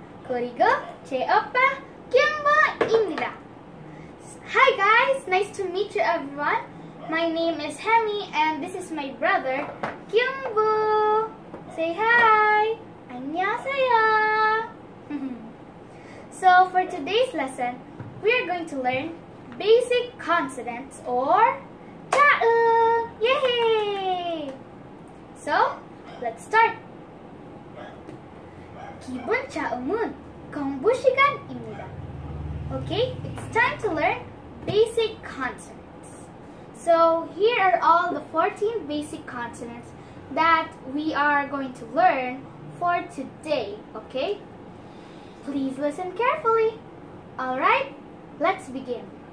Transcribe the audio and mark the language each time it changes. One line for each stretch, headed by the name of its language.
Korean: 그리고 제 오빠 김보입니다.
English: Hi guys, nice to meet you everyone. My name is Hemi and this is my brother, 김보. Say hi.
Korean: 안녕하세요.
English: So for today's lesson, we are going to learn basic consonants or 자음. Yay! So, let's start.
Korean: 기본 자음은 공부 시간입니다.
English: Okay, it's time to learn basic consonants. So, here are all the 14 basic consonants that we are going to learn for today, okay? Please listen carefully. All right, let's begin.